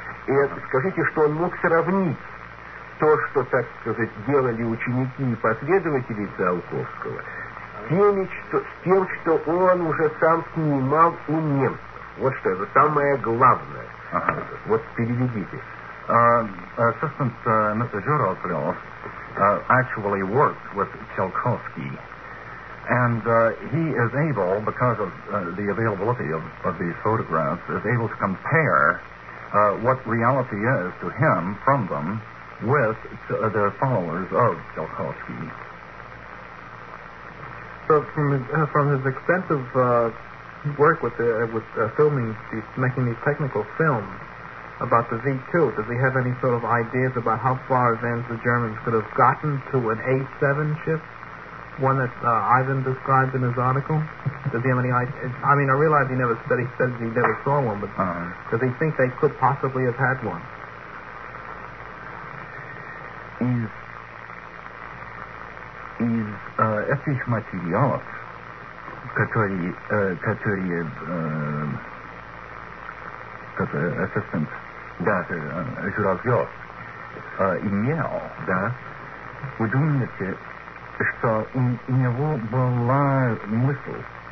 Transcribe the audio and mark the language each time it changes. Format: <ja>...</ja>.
<ru>И скажите, что он мог сравнить то, что, так сказать, делали ученики и последователи Циолковского, с тем, что он уже сам снимал у немцев. Вот что это самое главное. Ага. Вот переведите.</ru> <en>Assistant Mr. Juralkov actually worked with Tchaikovsky, and he is able, because of the availability of these photographs, is able to compare what reality is to him from them with the followers of Tchaikovsky. So from his extensive work filming, making these technical films about the V-2, does he have any sort of ideas about how far advanced the Germans could have gotten to an A-7 ship, one that Ivan described in his article? Does he have any ideas? I mean, I realize he said he never saw one, but does he think they could possibly have had one?</en> <ru>Из этих материалов, которые ассистент Журавлёв имел, да, вы думаете, что у него была мысль</ru>